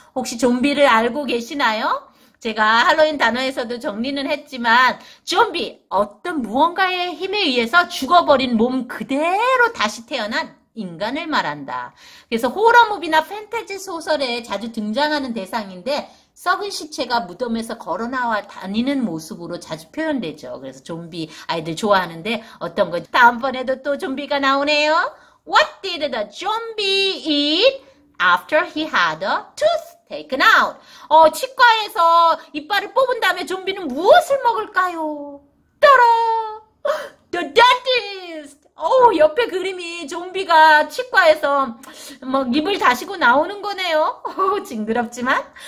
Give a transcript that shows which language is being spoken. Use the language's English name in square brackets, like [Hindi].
[Korean] 혹시 좀비를 알고 계시나요? 제가 할로윈 단어에서도 정리는 했지만, 좀비, 어떤 무언가의 힘에 의해서 죽어버린 몸 그대로 다시 태어난 인간을 말한다. 그래서 호러무비나 판타지 소설에 자주 등장하는 대상인데, 썩은 시체가 무덤에서 걸어나와 다니는 모습으로 자주 표현되죠. 그래서 좀비 아이들 좋아하는데, 어떤 건지. 다음번에도 또 좀비가 나오네요. [English] What did the zombie eat after he had a tooth? Taken out. [Korean] 치과에서 이빨을 뽑은 다음에 좀비는 무엇을 먹을까요? 따로! [English] The dentist! [Korean] 옆에 그림이 좀비가 치과에서 뭐 입을 다시고 나오는 거네요. 징그럽지만.